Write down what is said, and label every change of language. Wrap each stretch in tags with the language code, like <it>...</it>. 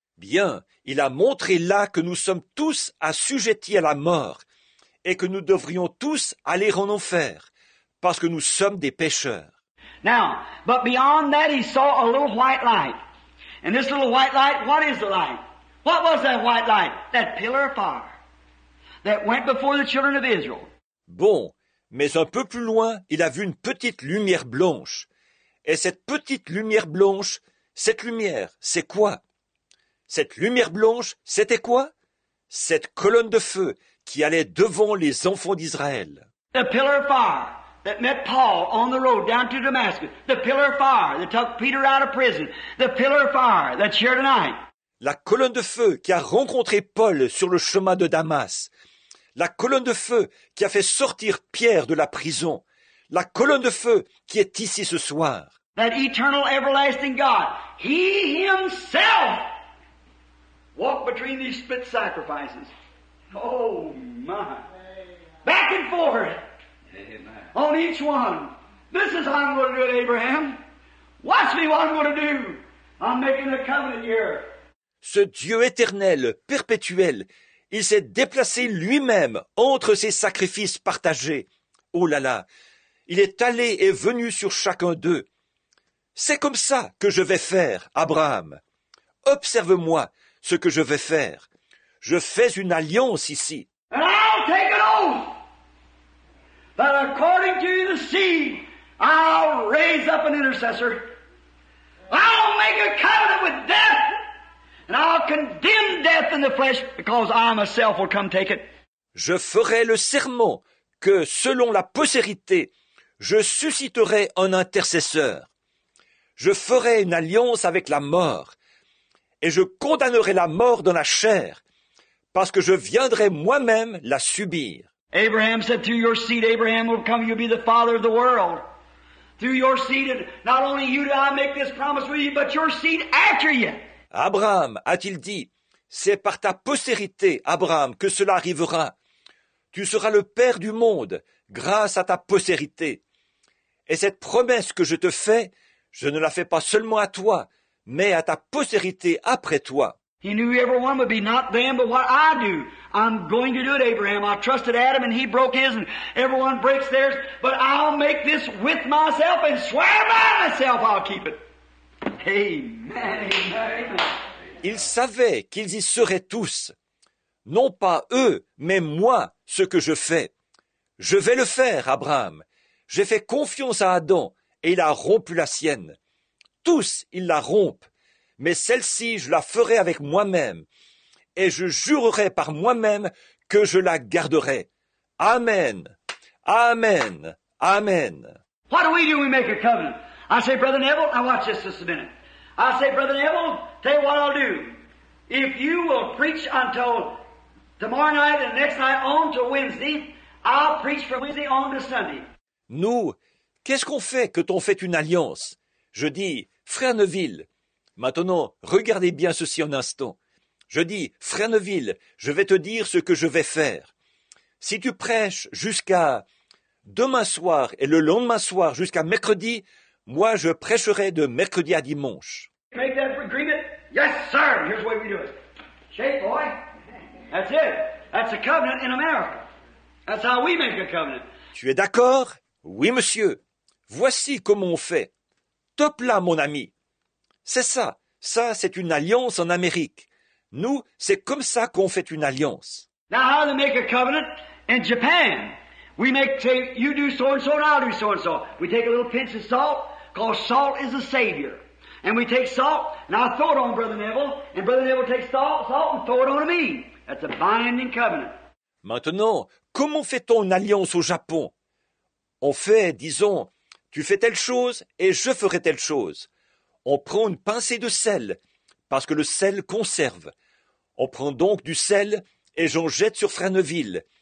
<fr>Bien, il a montré là que nous sommes tous assujettis à la mort et que nous devrions tous aller en enfer parce que nous sommes des pécheurs.</fr> <en>Now, but beyond that he saw a little white light. And this little white light, what is the light? What was that white light? That pillar of fire that went before the children of Israel.</en> <fr>Bon, mais un peu plus loin, il a vu une petite lumière blanche. Et cette petite lumière blanche, cette lumière, c'est quoi? Cette lumière blanche, c'était quoi? Cette colonne de feu qui allait devant les enfants d'Israël.</fr> <en>The pillar of fire that met Paul on the road down to Damascus. The pillar of fire that took Peter out of prison. The pillar of fire that's here tonight.</en> <fr>La colonne de feu qui a rencontré Paul sur le chemin de Damas. La colonne de feu qui a fait sortir Pierre de la prison. La colonne de feu qui est ici ce soir.</fr> <en>That eternal everlasting God, he himself walk between these split sacrifices. Oh, my. Back and forth. Amen. On each one. This is how I'm going to do it, Abraham. Watch me what I'm going to do. I'm making a covenant here.</en> <fr>Ce Dieu éternel, perpétuel, il s'est déplacé lui-même entre ces sacrifices partagés. Oh là là. Il est allé et venu sur chacun d'eux. C'est comme ça que je vais faire, Abraham. Observe-moi. Ce que je vais faire. Je fais une alliance ici.</fr> <en>And I'll take an oath that according to the seed, I'll raise up an intercessor. I'll make a covenant with death, and I'll condemn death in the flesh because I myself will come take it.</en> <fr>Je ferai le serment que, selon la postérité, je susciterai un intercesseur. Je ferai une alliance avec la mort. Et je condamnerai la mort dans la chair, parce que je viendrai moi-même la subir.</fr> <en>Abraham said, through your seed, Abraham will come, you'll be the father of the world. Through your seed, and not only you do I make this promise with you, but your seed after you.</en> <fr>Abraham a-t-il dit, c'est par ta postérité, Abraham, que cela arrivera. Tu seras le père du monde, grâce à ta postérité. Et cette promesse que je te fais, je ne la fais pas seulement à toi, mais à ta postérité après toi.</fr> <en>He knew everyone would be not them, but what I do. I'm going to do it, Abraham. I trusted Adam, and he broke his, and everyone breaks theirs. But I'll make this with myself, and swear by myself I'll keep it. Amen.</en> <fr>Ils savaient qu'ils y seraient tous. Non pas eux, mais moi, ce que je fais. Je vais le faire, Abraham. J'ai fait confiance à Adam, et il a rompu la sienne. Tous, ils la rompent, mais celle-ci, je la ferai avec moi-même, et je jurerai par moi-même que je la garderai. Amen. Amen. Amen.</fr> <en>What do? We make a covenant. I say, Brother Neville, now watch this just a minute. I say, Brother Neville, tell you what I'll do. If you will preach until tomorrow night and next night on to Wednesday, I'll preach from Wednesday on to Sunday.</en> <fr>Nous, qu'est-ce qu'on fait quand on fait une alliance? Je dis, Frère Neville, maintenant, regardez bien ceci un instant. Je dis, Frère Neville, je vais te dire ce que je vais faire. Si tu prêches jusqu'à demain soir et le lendemain soir jusqu'à mercredi, moi, je prêcherai de mercredi à dimanche.</fr> <en>Make that agreement? Yes, sir. Here's the way we do it. Shake, boy. That's it. That's a covenant in America. That's how we make a covenant.</en> <fr>Tu es d'accord? Oui, monsieur. Voici comment on fait. Top là, mon ami. C'est ça. Ça, c'est une alliance en Amérique. Nous, c'est comme ça qu'on fait une alliance.</fr> <en>Now, how to make a covenant in Japan? We make say, you do so and so, and I'll do so and so. We take a little pinch of salt, because salt is a savior. And we take salt, and I throw it on Brother Neville, and Brother Neville takes salt and throw it on me. That's a binding covenant.</en> <fr>Maintenant, comment fait-on une alliance au Japon? On fait, disons, tu fais telle chose et je ferai telle chose. On prend une pincée de sel, parce que le sel conserve. On prend donc du sel et j'en jette sur Fresneville.</fr>